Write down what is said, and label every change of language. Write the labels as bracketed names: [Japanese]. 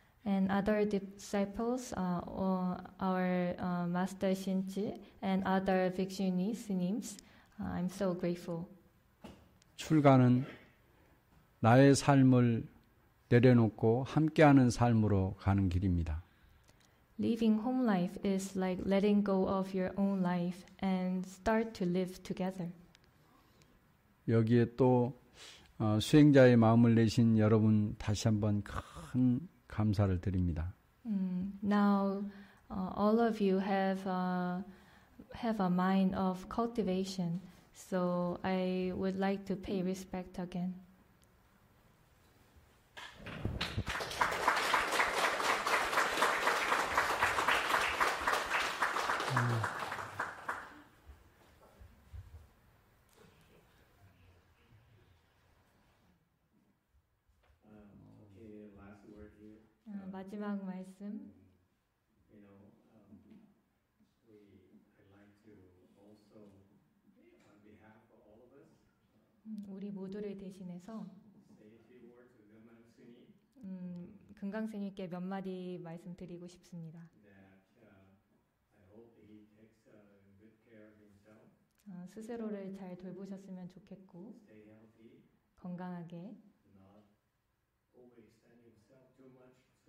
[English] And other disciples, our Master Xinji and other Bhikshuni Sinims, I'm so grateful. [Korean] 출가는 나의 삶을 내려놓고 함께하는 삶으로 가는 길입니다. [English] Living home life is like letting go of your own life and start to live together. [Korean] 여기에 또 수행자의 마음을 내신 여러분 다시 한번 큰 감사를 드립니다. [English] Now all of you have a mind of cultivation, so I would like to pay respect again. [Korean] 마지막 말씀. [English] You know, I'd like to also, on behalf of all of us, [Korean] 우리 모두를 대신해서 금강 스님께 몇 마디 말씀드리고 싶습니다. [English] That, I hope he takes good care of himself. [Korean] 스스로를 잘 돌보셨으면 좋겠고 [English] stay healthy, [Korean] 건강하게. [English] Not overextend himself too much.